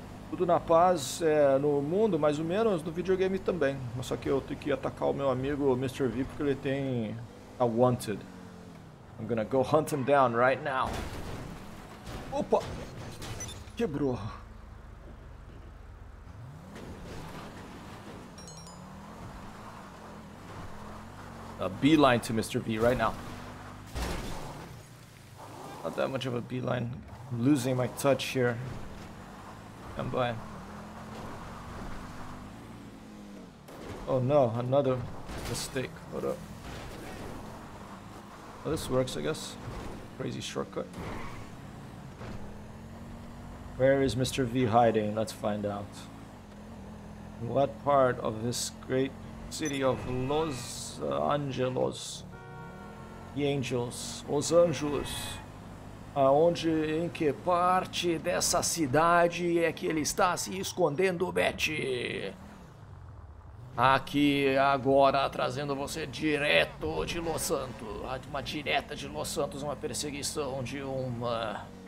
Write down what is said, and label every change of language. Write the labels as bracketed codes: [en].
[pt] Tudo na paz no mundo, mais ou menos, no videogame também. Mas só que eu tenho que atacar o meu amigo Mr. V porque ele tem a Wanted. [en] I'm gonna go hunt him down right now. [pt] Opa! Quebrou. [en] A beeline to Mr. V right now. Not that much of a beeline. I'm losing my touch here. Come by. Oh no, another mistake. Hold up. Well, this works, I guess. Crazy shortcut. Where is Mr. V hiding? Let's find out. In what part of this great city of Los Angeles? The Angels. Los Angeles. [pt] Aonde, em que parte dessa cidade é que ele está se escondendo, Betty? Aqui, agora, trazendo você direto de Los Santos. Uma direta de Los Santos, uma perseguição de uma...